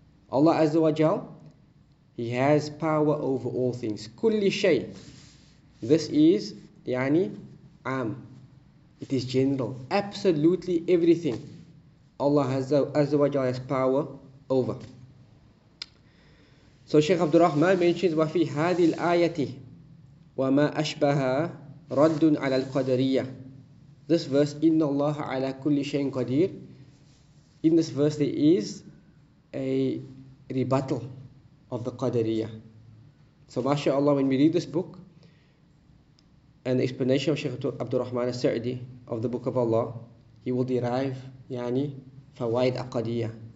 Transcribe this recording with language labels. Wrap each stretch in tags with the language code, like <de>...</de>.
<en>Allah Azza wa Jalla, He has power over all things. Kulli shay. This is, yani, am. It is general. Absolutely everything Allah Azza wa Jalla has power over. So Shaykh Abdul Rahman mentions,</en> <ar>وَفِي هَذِي الْآيَةِ وَمَا أَشْبَهَا رَدٌ عَلَى الْقَدَرِيَّةِ.</ar> <en>This verse,</en> <ar>إِنَّ اللَّهَ عَلَى كُلِّ شَيْءٍ قَدِيرٍ.</ar> <en>In this verse there is a rebuttal of the Qadariyah. So mashaAllah, when we read this book, and the explanation of Shaykh Abdul Rahman al-Sa'di of the Book of Allah, he will derive, yani, fawaid aqadiyah.</en>